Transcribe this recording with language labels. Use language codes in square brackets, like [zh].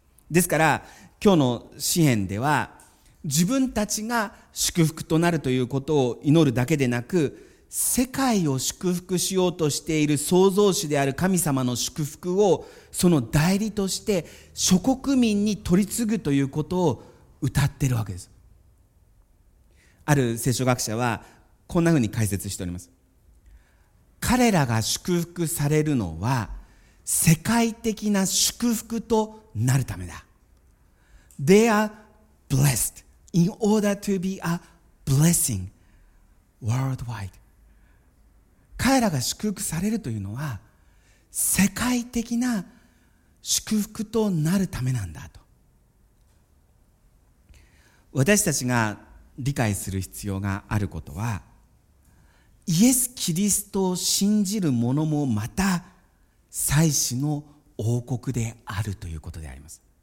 [ja] ですから今日の詩編では自分たちが祝福となるということを祈るだけでなく、世界を祝福しようとしている創造主である神様の祝福をその代理として諸国民に取り継ぐということを歌っているわけです。ある聖書学者はこんなふうに解説しております。彼らが祝福されるのは世界的な祝福となるためだ。 [en] They are blessed in order to be a blessing worldwide。 [ja] 彼らが祝福されるというのは世界的な祝福となるためなんだと。私たちが理解する必要があることは、イエス・キリストを信じる者もまた祭司の王国であるということであります。